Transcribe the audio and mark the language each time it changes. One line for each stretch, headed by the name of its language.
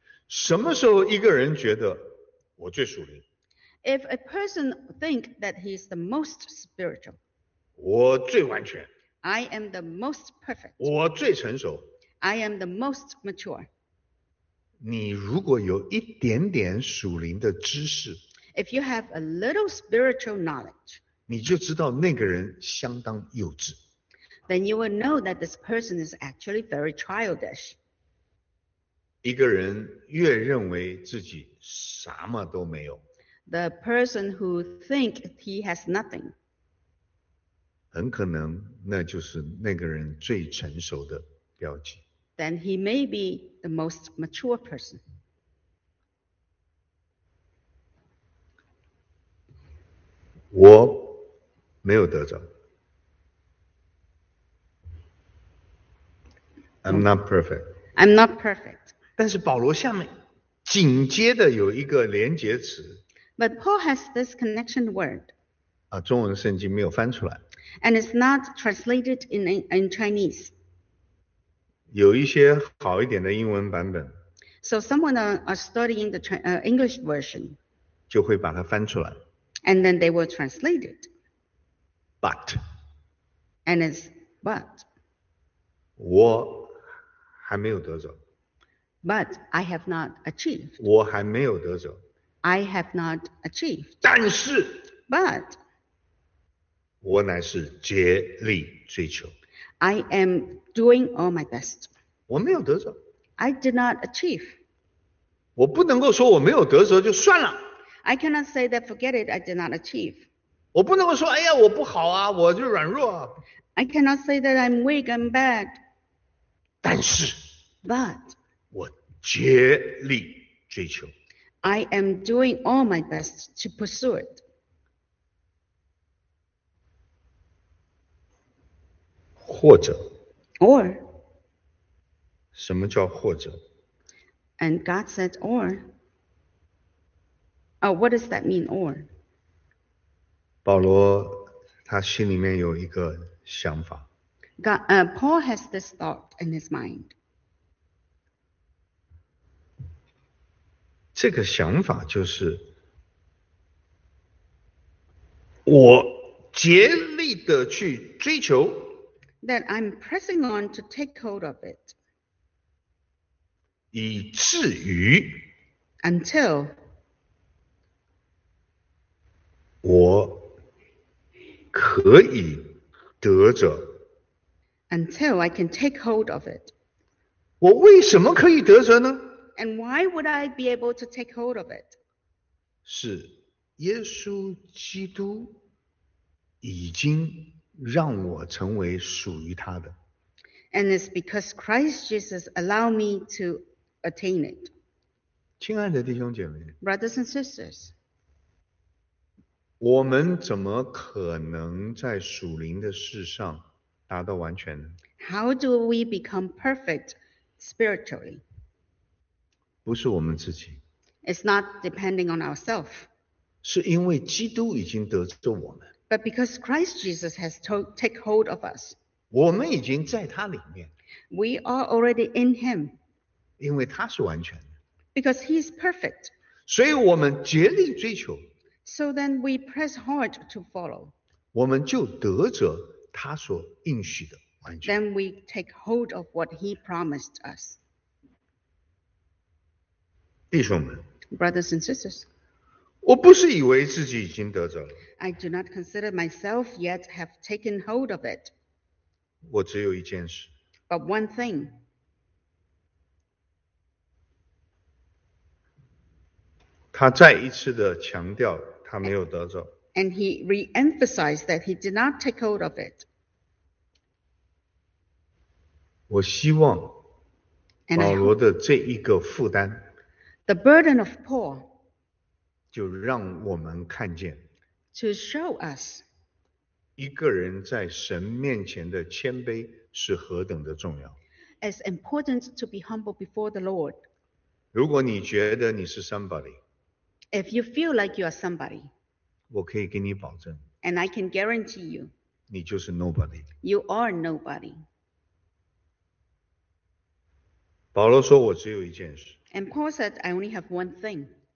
Chinese: 什么时候一个人觉得我最属灵？
English: If a person thinks that he is the most spiritual,
Chinese: 我最完全,
English: I am the most perfect,
Chinese: 我最成熟,
English: I am the most mature.
Chinese: 你如果有一点点属灵的知识,
English: If you have a little spiritual knowledge,
Chinese: 你就知道那个人相当幼稚,
English: then you will know that this person is actually very childish.
Chinese: 一个人越认为自己什么都没有,
English: The person who thinks he has nothing.
Chinese: 很可能那就是那个人最成熟的标记。
English: Then he may be the most mature person.
Chinese: 我没有得着。
English: I'm not perfect. I'm not perfect.
Chinese: 但是保罗下面紧接着有一个连结词。
English: But Paul has this connection word.
Chinese: 啊，中文圣经没有翻出来。
English: And it's not translated in Chinese.
Chinese: 有一些好一点的英文版本。
English: So someone are studying the English version.
Chinese: 就会把它翻出来。
English: And then they will translate it. But. And it's but.
Chinese: 我还没有得着。
English: But I have not achieved.
Chinese: 我还没有得着。
English: I have not achieved.
Chinese: 但是
English: But
Chinese: 我乃是竭力追求。
English: I am doing all my best.
Chinese: 我没有得着。
English: I did not achieve.
Chinese: 我不能够说我没有得着就算了。
English: I cannot say that forget it, I did not achieve.
Chinese: 我不能够说哎呀我不好啊我就软弱啊。
English: I cannot say that I'm weak, I'm bad.
Chinese: 但是
English: But
Chinese: 我竭力追求。
English: I am doing all my best to pursue it.
Chinese: 或者
English: Or
Chinese: 什么叫或者
English: And God said or What does that mean or?
Chinese: 保罗他心里面有一个想法
English: Paul has this thought in his mind.
Chinese: 这个想法就是我竭力的去追求
English: that I'm pressing on to take hold of it
Chinese: 以至于
English: until
Chinese: 我可以得着
English: until I can take hold of it
Chinese: 我为什么可以得着呢
English: And why would I be able to take hold of it?
Chinese: 是耶稣基督已经让我成为属于他的。
English: And it's because Christ Jesus allowed me to attain it.
Chinese: 亲爱的弟兄姐妹
English: Brothers and sisters.
Chinese: 我们怎么可能在属灵的事上达到完全呢?
English: How do we become perfect spiritually?
Chinese: 不是我们自己
English: It's not depending on ourselves.
Chinese: 是因为基督已经得着我们
English: But because Christ Jesus has taken hold of us.
Chinese: 我们已经在他里面
English: We are already in him.
Chinese: 因为他是完全的
English: Because he is perfect.
Chinese: 所以我们竭力追求
English: So then we press hard to follow.
Chinese: 我们就得着他所应许的完全
English: Then we take hold of what he promised us.
Chinese: 弟兄们
English: Brothers and sisters,
Chinese: 我不是以为自己已经得着了。
English: I do not consider myself yet have taken hold of it.
Chinese: 我只有一件事。
English: But one thing.
Chinese: 他再一次的强调他没有得着。
English: And he re-emphasized that he did not take hold of it.
Chinese: 我希望保罗的这一个负担
English: The burden of Paul
Chinese: 就让我们看见
English: to show us
Chinese: 一个人在神面前的谦卑是何等的重要。
English: It's important to be humble before the Lord.
Chinese: 如果你觉得你是
English: somebody, if you feel like you are somebody,
Chinese: 我可以给你保证。
English: And I can guarantee you,
Chinese: 你就是
English: nobody. You are nobody.
Chinese: 保罗说我只有一件事。
English: And Paul said, I only have one thing.